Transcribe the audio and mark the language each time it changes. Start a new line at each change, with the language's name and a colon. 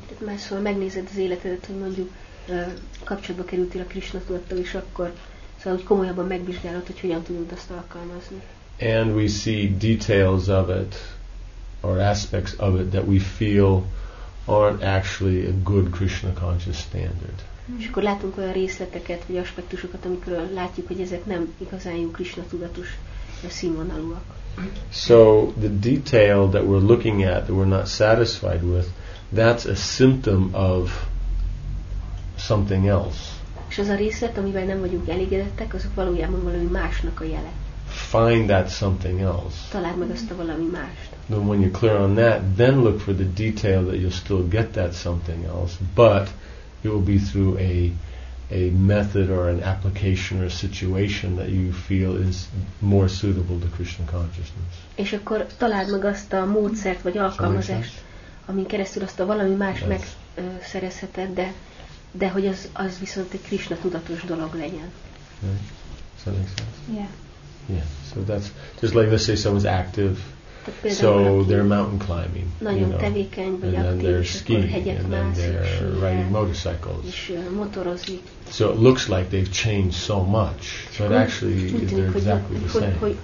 Hungarian: Tehát másszor megnézed az életedet, hogy mondjuk kapcsolatba kerültél a Krishna tudattal, és akkor szóval komolyabban megvizsgálod, hogy hogyan tudod azt alkalmazni.
English: And we see details of it, or aspects of it that we feel aren't actually a good Krishna conscious standard.
Hungarian: És akkor látunk olyan részleteket vagy aspektusokat, amikről látjuk, hogy ezek nem igazán jó Krishna tudatos színvonalúak.
English: So the detail that we're looking at that we're not satisfied with, that's a symptom of something else.
Hungarian: És az a részlet, amivel nem vagyunk elégedettek, azok valójában valami másnak a jele.
English: Find that something else.
Hungarian: Találd meg azt a valami mást.
English: Then when you're clear on that, then look for the detail that you'll still get that something else, but it will be through a a method or an application or a situation that you feel is more suitable to Krishna consciousness.
Hungarian: És akkor találd meg azt a módszert vagy alkalmazást, amin keresztül azt a valami más megszerezheted, de hogy az viszont egy Krishna tudatos dolog legyen.
English: Right. So that makes sense. Yeah. Yeah. So that's just like let's say someone's active. So they're mountain climbing, you know,
Hungarian: tevékeny,
English: and then they're skiing, and then they're riding motorcycles. So it looks like they've changed so much, but actually they're exactly the same.